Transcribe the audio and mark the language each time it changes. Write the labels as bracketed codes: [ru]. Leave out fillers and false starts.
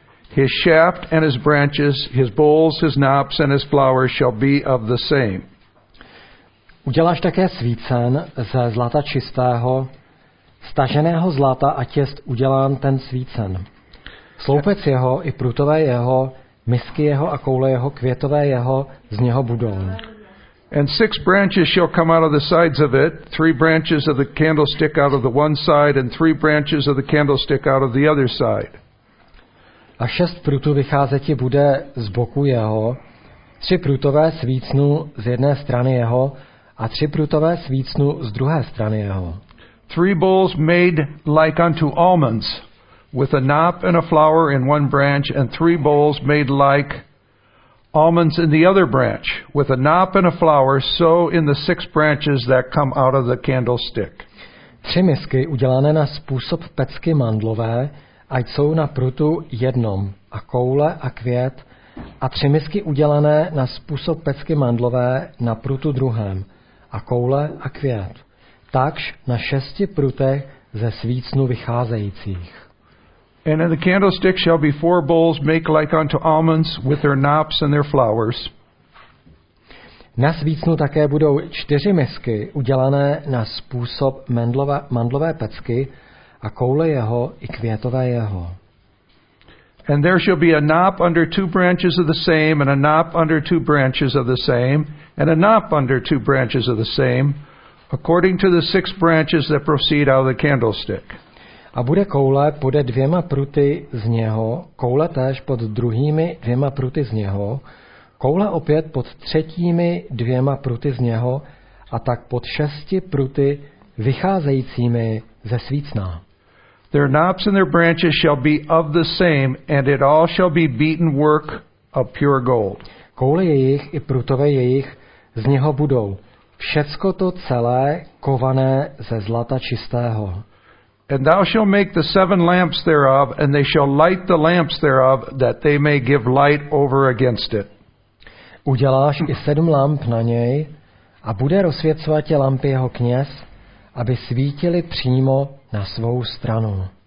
[en] His shaft and his branches, his bowls, his knops and his flowers shall be of the same. [cs] Uděláš také svícen ze zlata čistého, staženého zlata, ať jest udělán ten svícen. Sloupec jeho i prutové jeho, misky jeho a koule jeho, květové jeho, z něho budou. [en] And six branches shall come out of the sides of it, three branches of the candlestick out of the one side and three branches of the candlestick out of the other side. [cs] A šest prutů vycházet ti bude z boku jeho, tři prutové svícnu z jedné strany jeho a tři prutové svícnu z druhé strany jeho. [en] Three bowls made like unto almonds, with a knop and a flower in one branch, and three bowls made like almonds in the other branch, with a knop and a flower, so in the six branches that come out of the candlestick. [cs] Tři misky udělané na způsob pecky mandlové, ať jsou na prutu jednom, a koule a květ, a tři misky udělané na způsob pecky mandlové na prutu druhém, a koule a květ. Takž na šesti prutech ze svícnu vycházejících. [en] And in the candlestick shall be four bowls make like unto almonds with their knops and their flowers. [cs] Na svícnu také budou čtyři misky udělané na způsob mandlové pecky, a koule jeho i květové jeho. [en] And there shall be a knop under two branches of the same, and a knop under two branches of the same, and a knop under two branches of the same, according to the six branches that proceed out of the candlestick. [cs] A bude koule pod dvěma pruty z něho, koule též pod druhými dvěma pruty z něho, Koule opět pod třetími dvěma pruty z něho a tak pod šesti pruty vycházejícími ze svícna. [en] Their knops and their branches shall be of the same, and it all shall be beaten work of pure gold. [cs] Koule jejich i prutové jejich z něho budou. Všecko to celé kované ze zlata čistého. [en] And thou shall make the seven lamps thereof, and they shall light the lamps thereof, that they may give light over against it. [cs] Uděláš i sedm lamp na něj, a bude rozsvěcovat tě lampy jeho kněz, aby svítili přímo na svou stranu.